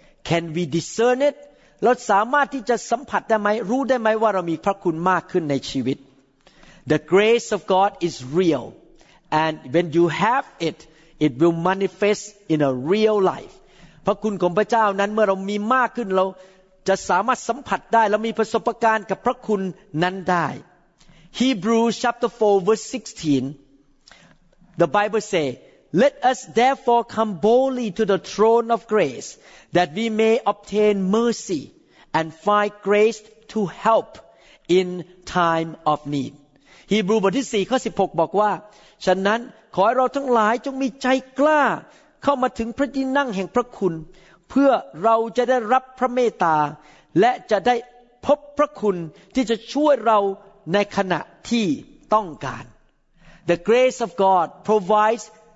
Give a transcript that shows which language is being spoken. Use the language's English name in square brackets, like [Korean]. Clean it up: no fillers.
[English] Can we discern it? [Thai] เราสามารถที่จะสัมผัสได้ไหมรู้ได้ไหมว่าเรามีพระคุณมากขึ้นในชีวิต [English] The grace of God is real, and when you have it, it will manifest in a real life. [Thai] พระคุณของพระเจ้านั้นเมื่อเรามีมากขึ้นเราจะสามารถสัมผัสได้เรามีประสบการณ์กับพระคุณนั้นได้ [English] Hebrews chapter 4 verse 16, the Bible say. Let us therefore come boldly to the throne of grace, that we may obtain mercy and find grace to help in time of need. [Thai] Hebrew บทที่4ข้อ16บอกว่าฉะนั้นขอให้เราทั้งหลายจงมีใจกล้าเข้ามาถึงพระที่นั่งแห่งพระคุณเพื่อเราจะได้รับพระเมตตาและจะได้พบพระคุณที่จะช่วยเราในขณะที่ต้องการ [English] The grace of God provides.